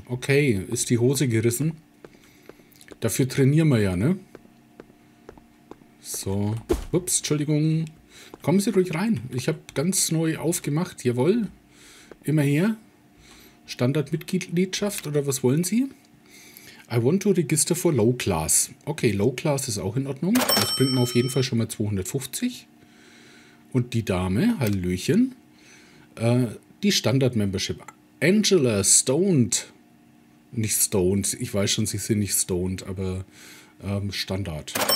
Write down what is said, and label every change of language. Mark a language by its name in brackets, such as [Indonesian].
[German] Okay, ist die Hose gerissen. Dafür trainieren wir ja, ne? So. Ups, Entschuldigung. Kommen Sie ruhig rein. Ich habe ganz neu aufgemacht. Jawohl. Immer her. Standardmitgliedschaft oder was wollen Sie? [English] I want to register for low class. [German] Okay, low class ist auch in Ordnung. Das bringt mir auf jeden Fall schon mal 250. Und die Dame, Hallöchen. Die Standard-Membership. Angela Stoned. Nicht Stoned. Ich weiß schon, sie sind nicht Stoned, aber Standard.